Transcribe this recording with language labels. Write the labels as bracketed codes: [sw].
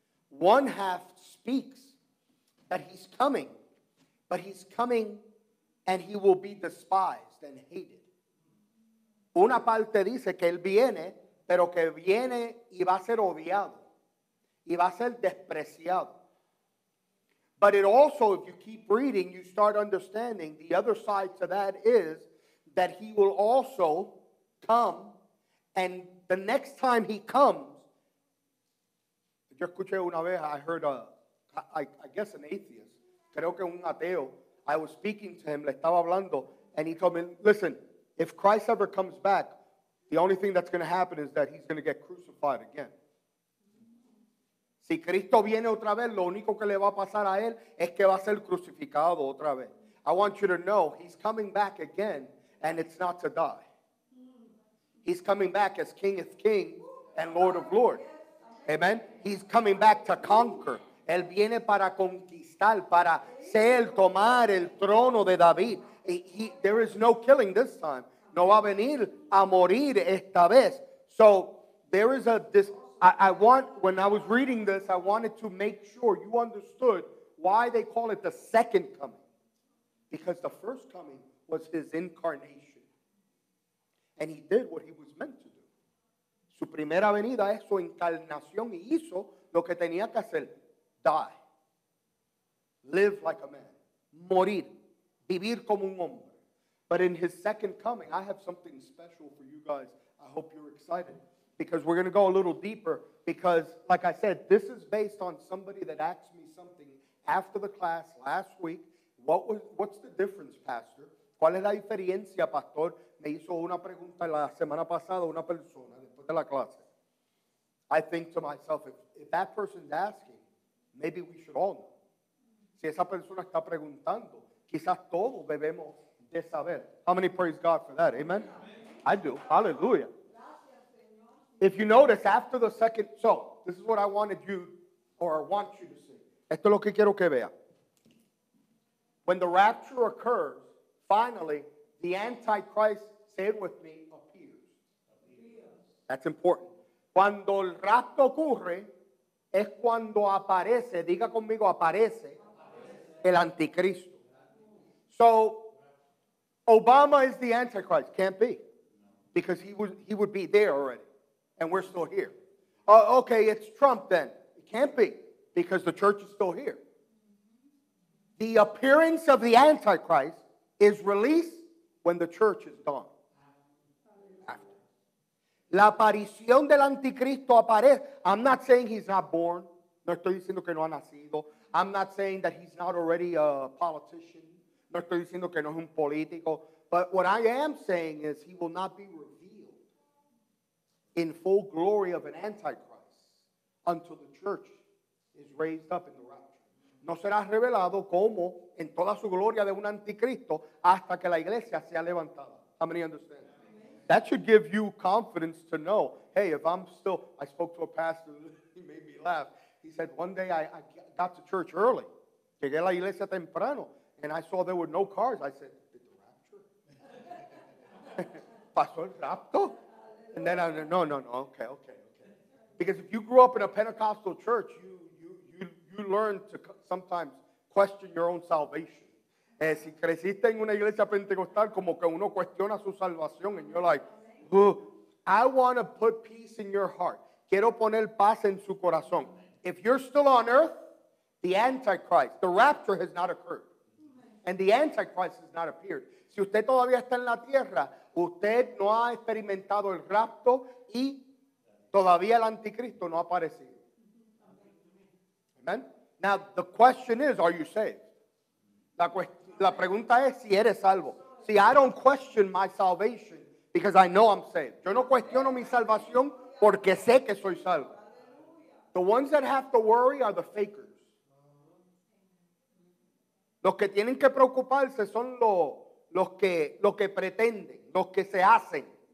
[en] One half speaks that he's coming, but he's coming and he will be despised and hated. [es] Una parte dice que él viene, pero que viene y va a ser odiado, y va a ser despreciado. [en] But it also, if you keep reading, you start understanding the other side to that is that he will also come, and the next time he comes, [es] yo escuché una vez, [en] I heard I guess an atheist, [es] creo que un ateo, [en] I was speaking to him, [es] le estaba hablando, [en] and he told me, listen, if Christ ever comes back, the only thing that's going to happen is that he's going to get crucified again. [es] Si Cristo viene otra vez, lo único que le va a pasar a él es que va a ser crucificado otra vez. [en] I want you to know, he's coming back again, and it's not to die. He's coming back as King of Kings and Lord of Lords. Amen? He's coming back to conquer. [es] Él viene para conquistar, para ser, tomar el trono de David. [en] There is no killing this time. [es] No va a venir a morir esta vez. [en] So there is a... when I was reading this, I wanted to make sure you understood why they call it the second coming. Because the first coming was his incarnation. And he did what he was meant to do. [es] Su primera venida es su encarnación y hizo lo que tenía que hacer. [en] Die. Live like a man. [es] Morir. Vivir como un hombre. [en] But in his second coming, I have something special for you guys. I hope you're excited. Because we're going to go a little deeper. Because, like I said, this is based on somebody that asked me something after the class last week. What's the difference, Pastor? [es] ¿Cuál es la diferencia, Pastor? Me hizo una pregunta la semana pasada una persona después de la clase. [en] I think to myself, if that person's asking, maybe we should all know. [es] Si esa persona está preguntando, quizás todos debemos de saber. [en] How many praise God for that? Amen? I do. Hallelujah. If you notice, after the second, so, this is what I wanted you, or I want you to see. [es] Esto es lo que quiero que vea. [en] When the rapture occurs, finally, the Antichrist, say it with me, appears. That's important. [es] Cuando el rapto ocurre, es cuando aparece, diga conmigo, aparece el anticristo. [en] So, Obama is the Antichrist, can't be, because he would be there already. And we're still here. Okay, it's Trump then. It can't be because the church is still here. The appearance of the Antichrist is released when the church is gone. After. [es] La aparición del anticristo aparece. [en] I'm not saying he's not born. [es] No estoy diciendo que no ha nacido. [en] I'm not saying that he's not already a politician. [es] No estoy diciendo que no es un político. [en] But what I am saying is he will not be revealed in full glory of an antichrist until the church is raised up in the rapture. [es] No será revelado como en toda su gloria de un anticristo hasta que la iglesia sea levantada. [en] How many understand? That should give you confidence to know, hey, if I'm still, I spoke to a pastor, he made me laugh. He said, one day I got to church early. [es] Llegué a la iglesia temprano, [en] and I saw there were no cars. I said, did the rapture? [es] pasó el rapto? [en] And then I said, no, okay. Because if you grew up in a Pentecostal church, you learn to sometimes question your own salvation. [es] Si creciste en una iglesia pentecostal, como que uno cuestiona su salvación, [en] and you're like, ugh. I want to put peace in your heart. [es] Quiero poner paz en su corazón. [en] If you're still on earth, the Antichrist, the rapture has not occurred. And the Antichrist has not appeared. [es] Si usted todavía está en la tierra, usted no ha experimentado el rapto y todavía el anticristo no ha aparecido. [en] Amen. Now, the question is, are you saved? [es] La pregunta es si eres salvo. [en] See, I don't question my salvation because I know I'm saved. [es] Yo no cuestiono mi salvación porque sé que soy salvo. [en] The ones that have to worry are the fakers. [es] Los que tienen que preocuparse son los que pretenden, los que se hacen.